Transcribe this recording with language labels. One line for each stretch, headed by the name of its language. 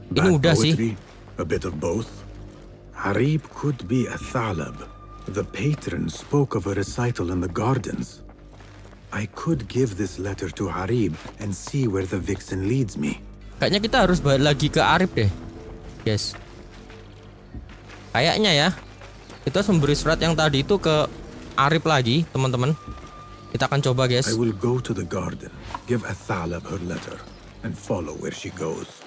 Indonesian: Ini udah sih.
English: A bit of both. Harib could be a thalab. The patron spoke of a recital in the gardens. I could give this letter to Harib and see where the vixen leads me.
Indonesian: Kayaknya kita harus balik lagi ke Arif deh, guys. Kayaknya ya, kita harus memberi surat yang tadi itu ke Arif lagi, teman-teman. Kita akan coba, guys.
English: I will go to the garden, give Athalab her letter, and follow where she goes.